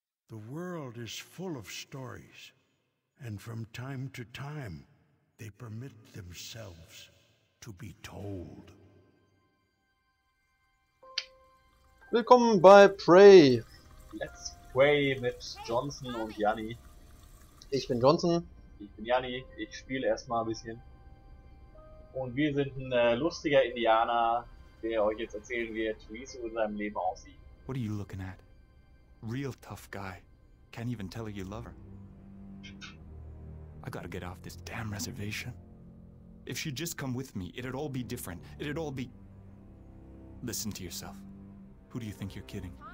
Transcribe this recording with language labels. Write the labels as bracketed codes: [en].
[en] The world is full of stories, and from time to time, they permit themselves to be told. [de] Willkommen bei Prey. Let's Prey mit Johnson und Janni. Ich bin Johnson. Ich bin Janni. Ich spiele erstmal ein bisschen. Und wir sind ein lustiger Indianer, der euch jetzt erzählen wird, wie es in seinem Leben aussieht. [en] What are you looking at? Real tough guy. Can't even tell her you love her. I gotta get off this damn reservation. If she'd just come with me, it'd all be different. It'd all be... Listen to yourself. Who do you think you're kidding?